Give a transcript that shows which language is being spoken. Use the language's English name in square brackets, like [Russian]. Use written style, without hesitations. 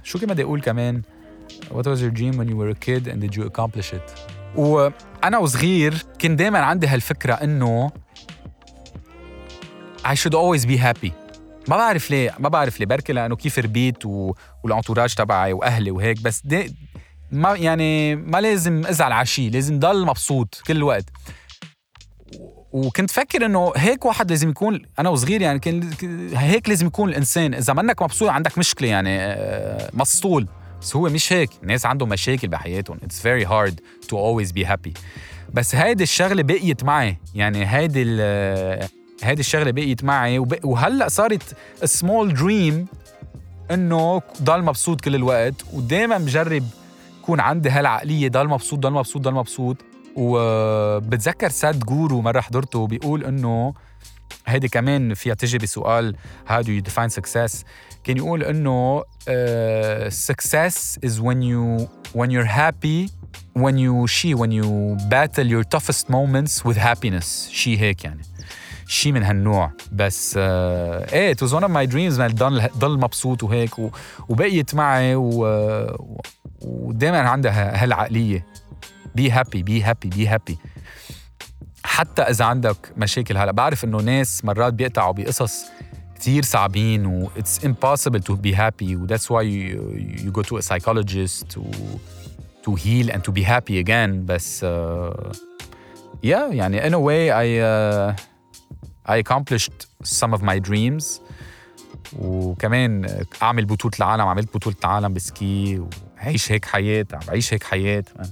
[Arabic] شو كما بدي اقول كمان، [English] What was your dream when you were a kid and did you accomplish it؟ [Arabic] وانا وصغير كان دايما عندي هالفكره انه [English] I should always be happy. [Arabic] ما بعرف ليه، ما بعرف ليه، بركي لانه كيف ربيت والانتوراج تبعي واهلي وهيك، بس ما يعني ما لازم ازعل عشي، لازم ضل مبسوط كل الوقت. وكنت فكر انه هيك واحد لازم يكون، انا وصغير يعني كان هيك لازم يكون الانسان، اذا منك مبسوط عندك مشكله يعني مسطول. بس هو مش هيك، الناس عندهم مشاكل بحياتهم. [English] It's very hard to always be happy. [Arabic] بس هيدي الشغله بقيت معي يعني، هيدي الشغله بقيت معي وهلا صارت [English] small dream [Arabic] انه ضل مبسوط كل الوقت، ودائما مجرب يكون عندي هالعقليه ضل مبسوط ضل مبسوط ضل مبسوط. وبتذكر ساد جورو مره حضرته بيقول انه هيدي كمان فيها تجي بسؤال [English] how do you define success، [Arabic] كان يقول انه [English] success is when you're happy when you battle your toughest moments with happiness. [Arabic] شي هيك يعني، شي من هالنوع. بس ايه [English] it was one of my dreams [Arabic] ما ضل مبسوط وهيك وبقيت معي ودائما عندها هالعقلية be happy. حتى إذا عندك مشاكل هلا، بعرف إنه ناس مرات بيقطعوا بقصص كتير صعبين [English] و it's impossible to be happy و that's why you go to a psychologist to heal and to be happy again. بس yeah يعني in a way I accomplished some of my dreams. [Arabic] وكمان أعمل بطولة العالم، عملت بطولة العالم بسكي وعيش هيك حياة، عيش هيك حياة.